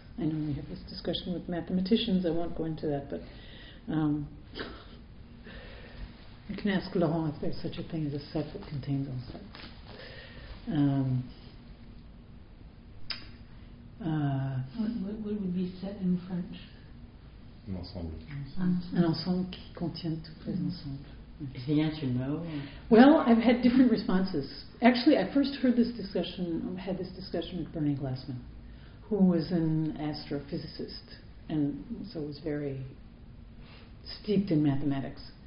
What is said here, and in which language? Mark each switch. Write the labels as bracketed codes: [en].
[en] I know we have this discussion with mathematicians. I won't go into that, but you can ask Laurent if there's such a thing as a set that contains all sets. What would be set in French? [fr] Un ensemble. Un ensemble qui contient tous les ensembles. [en] Is the answer no? Well, I've had different responses. Actually, I first heard this discussion, had this discussion with Bernie Glassman, who was an astrophysicist, and so was very steeped in mathematics.